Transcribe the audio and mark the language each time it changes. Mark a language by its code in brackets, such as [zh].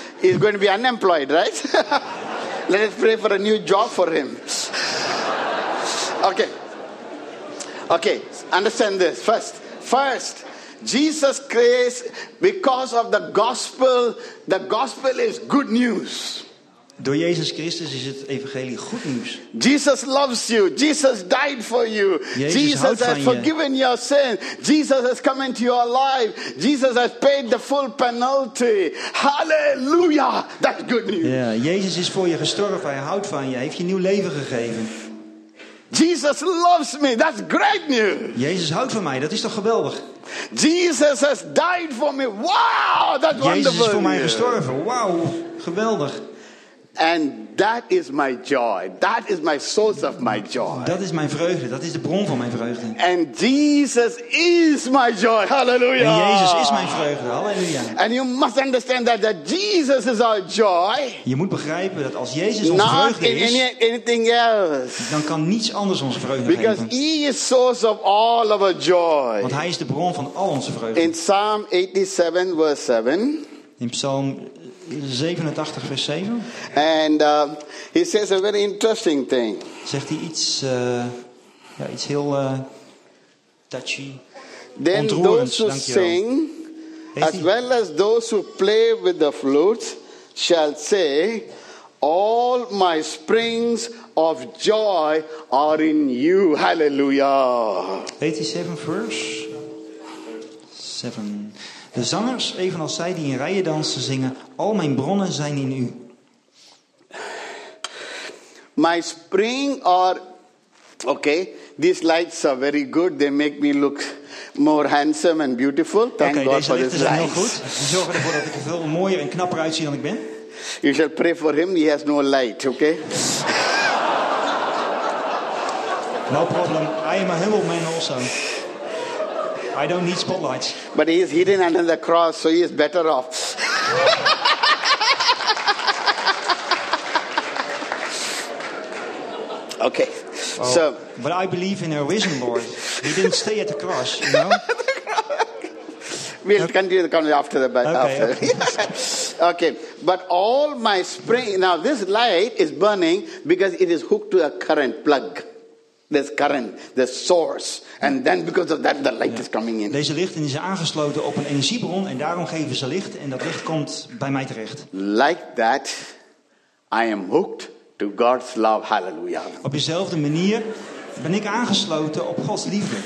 [en] He's going to be unemployed, right? Let us pray for a new job for him. Okay. Okay, understand this. First, Jesus Christ, because of the gospel is good news. [nl] Door Jezus Christus is het evangelie goed nieuws. [en] Jesus loves you. Jesus died for you. Jesus has forgiven your sins. Jesus has come into your life. Jesus has paid the full penalty. Hallelujah! That's good news. [nl] Ja, Jezus is voor je gestorven. Hij houdt van je. Hij heeft je nieuw leven gegeven. [en] Jesus loves me. That's great news. [nl] Jezus houdt van mij. Dat is toch geweldig. [en] Jesus has died for me. Wow, that's wonderful. [nl] Jezus is voor mij gestorven. Wow, geweldig. [en] And that is my joy. That is my source of my joy. [nl] Dat is mijn vreugde. Dat is de bron van mijn vreugde. [en] And Jesus is my joy. Hallelujah. [nl] En Jezus is mijn vreugde. Hallelujah. [en] And you must understand that Jesus is our joy. [nl] Je moet begrijpen dat als Jezus onze vreugde is, [en] not anything else. [nl] Dan kan niets anders onze vreugde [en] because [nl] geven. [en] Because He is source of all of our joy. [nl] Want Hij is de bron van al onze vreugde. [en] In Psalm 87, verse 7. [nl] In Psalm 87 vers 7. [en] And he says a very interesting thing. [nl] Zegt hij iets, ja, iets heel touchy. [en] Then those who sing, as well as those who play with the flute, shall say, all my springs of joy are in you. Hallelujah. [nl] 87 vers 7. De zangers, evenals zij die in rijen dansen, zingen: al mijn bronnen zijn in u. [en] My spring are okay. These lights are very good. They make me look more handsome and beautiful. Thank God for these lights. [nl] Oké, deze lichten zijn heel goed. Ze zorgen ervoor dat ik er veel mooier en knapper uitzie dan ik ben. [en] You shall pray for him. He has no light. Okay. No problem. I am a humble man also. I don't need spotlights. But he is hidden under the cross, so he is better off. Okay. Oh, so, but I believe in a risen Lord. He didn't stay at the cross, you know? We'll continue the conversation after the battle. Okay. Okay. But all my spring. Now, this light is burning because it is hooked to a current plug. This current, the source, and then because of that, the light is coming in. [nl] Deze lichten zijn aangesloten op een energiebron, en daarom geven ze licht, en dat licht komt bij mij terecht. [en] Like that, I am hooked to God's love. Hallelujah. [nl] Op dezelfde manier ben ik aangesloten op Gods liefde.